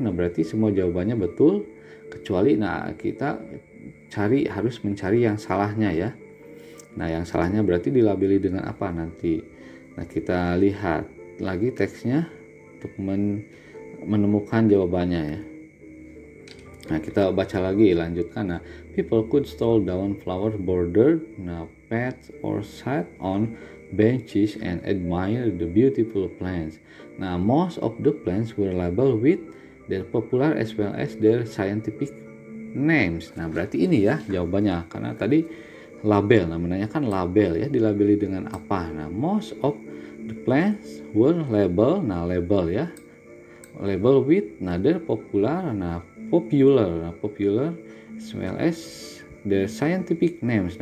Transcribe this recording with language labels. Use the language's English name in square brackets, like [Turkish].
[Indonesian] Nah, berarti semua jawabannya betul kecuali, nah kita cari, harus mencari yang salahnya ya. Nah, yang salahnya berarti dilabeli dengan apa nanti. Nah, kita lihat lagi teksnya untuk menemukan jawabannya ya. Nah, kita baca lagi, lanjutkan. [English] Nah, people could stroll down flower border, nah paths, or sat on benches and admire the beautiful plants. Nah, most of the plants were labeled with their popular as well as their scientific names. [Indonesian] Nah, berarti ini ya jawabannya, karena tadi label, nah menanyakan label ya, dilabeli dengan apa. [English] Nah, most of the plants were labeled, nah label ya, label with, nah their popular, nah popular, nah popular as well as their scientific names.